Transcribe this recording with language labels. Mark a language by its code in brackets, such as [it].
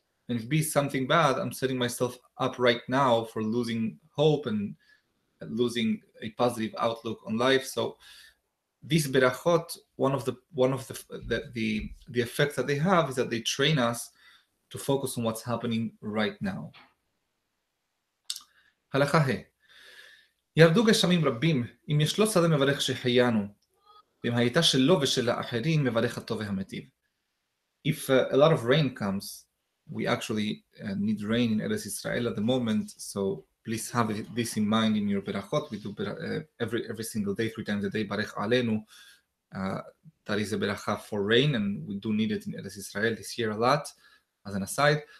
[en] And if B is something bad, I'm setting myself up right now for losing hope and losing a positive outlook on life. So this berachot, one of the effects that they have is that they train us to focus on what's happening right now. [he] הלכה ה. ירדו גשמים רבים, אם יש לו שדה מברך שחיינו, ואם הייתה שלו ושל האחרים, מברך הטוב והמטיב. [en] If a lot of rain comes, we actually need rain in Eretz Israel at the moment, so please have this in mind in your berachot. We do every single day, three times a day, ברך עלינו. That is a beracha for rain, and we do need it in Eretz Israel this year a lot, as an aside.